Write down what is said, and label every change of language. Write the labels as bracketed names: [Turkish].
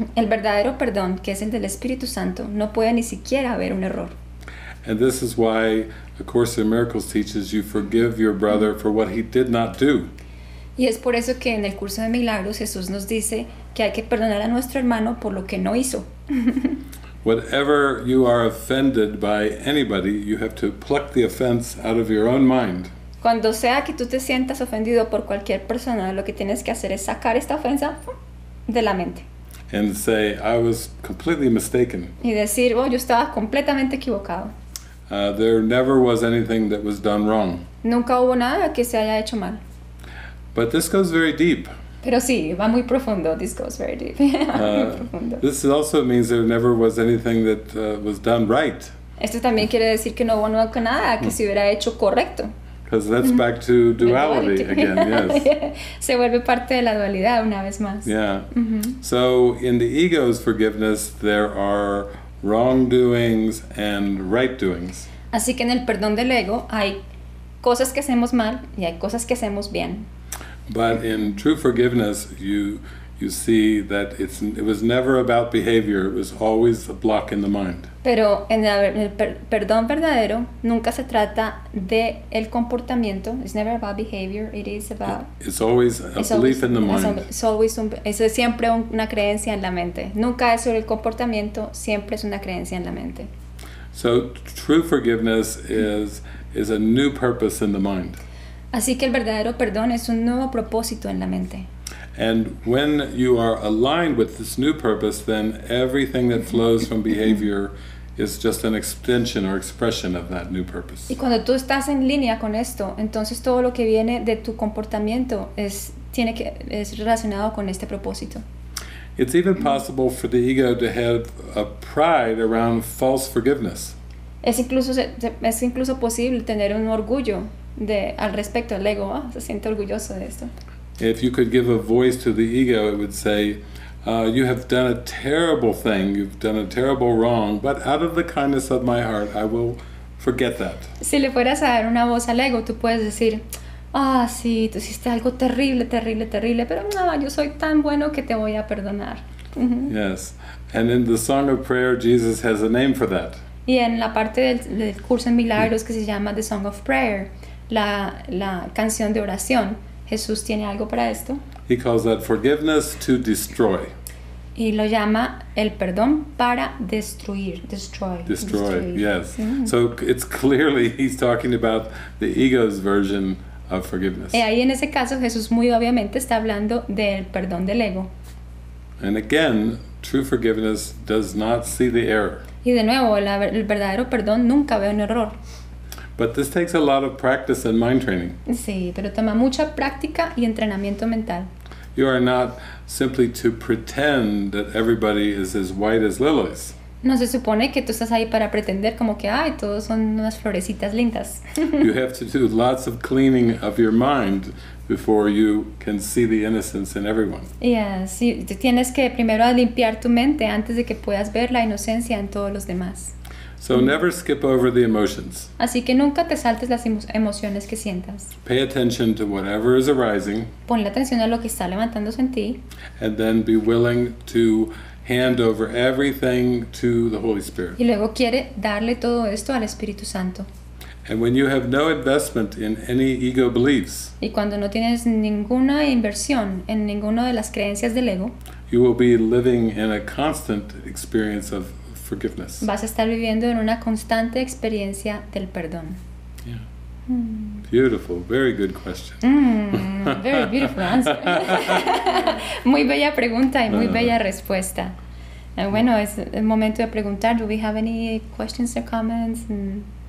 [Spanish] El verdadero perdón, que es el del Espíritu Santo, no puede ni siquiera ver un error. [English] And this is why A Course in Miracles teaches you forgive your brother for what he did not do. [Spanish] Y es por eso que en el curso de milagros Jesús nos dice que hay que perdonar a nuestro hermano por lo que no hizo. [English] Whatever you are offended by anybody, you have to pluck the offense out of your own mind. [Spanish] Cuando sea que tú te sientas ofendido por cualquier persona, lo que tienes que hacer es sacar esta ofensa de la mente. [English] And say, I was completely mistaken. [Spanish] Y decir, yo estaba completamente equivocado. [English] There never was anything that was done wrong. [Spanish] Nunca hubo nada que se haya hecho mal. [English] But this goes very deep. [Spanish] Pero sí, va muy profundo. [English] This goes very deep. This also means there never was anything that was done right. [Spanish] Esto también quiere decir que no hubo nunca nada que se hubiera hecho correcto. [English] Because that's back to duality again, yes. [Spanish] Se vuelve parte de la dualidad una vez más. Yeah. Mm-hmm. [English] So in the ego's forgiveness, there are wrongdoings and right doings. [Spanish] Así que en el perdón del ego hay cosas que hacemos mal y hay cosas que hacemos bien. [English] But in true forgiveness, you see that it was never about behavior. It was always a block in the mind. [Spanish] Pero en el perdón verdadero nunca se trata de el comportamiento. [English] It's never about behavior. It is about. It's always a belief in the mind. [Spanish] Es siempre una creencia en la mente. Nunca es sobre el comportamiento. Siempre es una creencia en la mente. [English] So true forgiveness is a new purpose in the mind. [Spanish] Así que el verdadero perdón es un nuevo propósito en la mente. [English] And when you are aligned with this new purpose, then everything that flows from behavior is just an extension or expression of that new purpose. [Spanish] Y cuando tú estás en línea con esto, entonces todo lo que viene de tu comportamiento es relacionado con este propósito. [English] It's even possible for the ego to have a pride around false forgiveness. [Spanish] Es incluso posible tener un orgullo de al respecto al ego. Se siente orgulloso de esto. [English] If you could give a voice to the ego, it would say, you have done a terrible thing, you've done a terrible wrong, but out of the kindness of my heart, I will forget that. [Spanish] Si le fueras a dar una voz al ego, tú puedes decir, sí, tú hiciste algo terrible, terrible, terrible, pero yo soy tan bueno que te voy a perdonar. Mm-hmm. [English] Yes, and in the song of prayer, Jesus has a name for that. [Spanish] Y en la parte del curso en milagros que se llama [English] the song of prayer, [Spanish] la canción de oración, Jesús tiene algo para esto. [English] He calls that forgiveness to destroy. [Spanish] Y lo llama el perdón para destruir. [English] Destroy. Destroy, destroy. Yes. Mm. So it's clearly he's talking about the ego's version of forgiveness. [Spanish] Y ahí en ese caso Jesús muy obviamente está hablando del perdón del ego. [English] And again, true forgiveness does not see the error. [Spanish] Y de nuevo, el verdadero perdón nunca ve un error. [English] But this takes a lot of practice and mind training. [Spanish] Sí, pero toma mucha práctica y entrenamiento mental. [English] You are not simply to pretend that everybody is as white as lilies. [Spanish] No se supone que tú estás ahí para pretender como que, todos son unas florecitas lindas. [English] You have to do lots of cleaning of your mind before you can see the innocence in everyone. [Spanish] Yes, tú tienes que primero limpiar tu mente antes de que puedas ver la inocencia en todos los demás. [English] So never skip over the emotions. [Spanish] Así que nunca te saltes las emociones que sientas. [English] Pay attention to whatever is arising. [Spanish] Ponle atención a lo que está levantándose en ti. [English] And then be willing to hand over everything to the Holy Spirit. [Spanish] Y luego quiere darle todo esto al Espíritu Santo. [English] And when you have no investment in any ego beliefs. [Spanish] Y cuando no tienes ninguna inversión en ninguna de las creencias del ego. [English] You will be living in a constant experience of forgiveness. [Spanish] Vas a estar viviendo en una constante experiencia del perdón. [English] Yeah. Beautiful, very good question. Very beautiful answer. [Spanish] Muy bella pregunta y muy bella respuesta. Bueno, es el momento de preguntar. [English] Do we have any questions or comments? And...